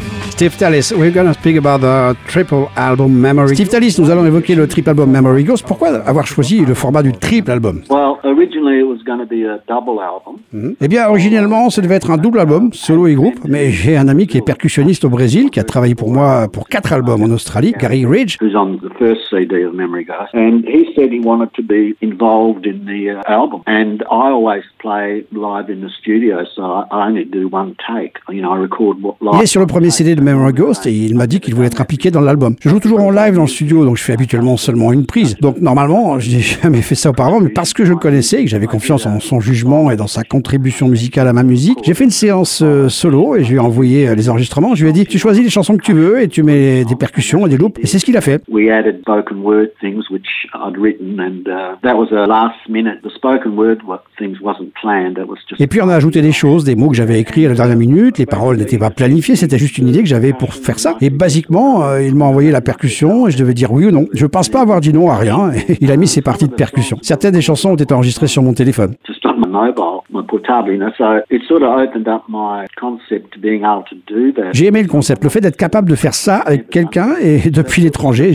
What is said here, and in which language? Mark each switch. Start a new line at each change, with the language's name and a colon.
English: Steve Tallis, we're going to speak about the triple album Memory Ghost.
French: Steve Tallis, nous allons évoquer le triple album Memory Ghost. Pourquoi avoir choisi le format du triple album?
English: Well, originally it was going to be a double album.
French: Eh bien, originellement, ça devait être un double album, solo et groupe, mais j'ai un ami qui est percussionniste au Brésil, qui a travaillé pour moi pour 4 albums en Australie, Gary Ridge.
English: Who's on the first CD of Memory Ghost. And he said he wanted to be involved in the album. And I always play live in the studio, so I only do one take. You know, I record live.
French: Il est sur le premier CD de Memory Ghost et il m'a dit qu'il voulait être impliqué dans l'album. Je joue toujours en live dans le studio, donc je fais habituellement seulement une prise. Donc normalement, je n'ai jamais fait ça auparavant, mais parce que je le connais connaissais et que j'avais confiance en son jugement et dans sa contribution musicale à ma musique. J'ai fait une séance solo et je lui ai envoyé les enregistrements. Je lui ai dit, tu choisis les chansons que tu veux et tu mets des percussions et des loops. Et c'est ce qu'il a fait.
English: We added spoken word things which I'd written and that was a last minute. The spoken word things wasn't planned. That was just.
French: Et puis on a ajouté des choses, des mots que j'avais écrits à la dernière minute. Les paroles n'étaient pas planifiées. C'était juste une idée que j'avais pour faire ça. Et basiquement, il m'a envoyé la percussion et je devais dire oui ou non. Je pense pas avoir dit non à rien. Il a mis ses parties de percussion. Certaines des chansons ont été enregistrées sur mon téléphone. J'ai aimé le concept, le fait d'être capable de faire ça avec quelqu'un et depuis l'étranger.